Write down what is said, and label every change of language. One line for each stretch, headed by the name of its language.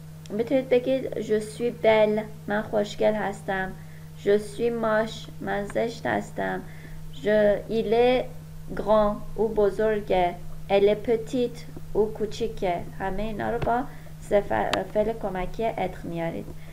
Persian: میتونید بگید
French: je suis belle،
Persian: من خوشگل هستم.
French: je suis moche،
Persian: من زشت هستم.
French: il est grand،
Persian: او بزرگه.
French: elle est petite،
Persian: او کوچیکه. همه اینا رو با فعل کمکی être میارید.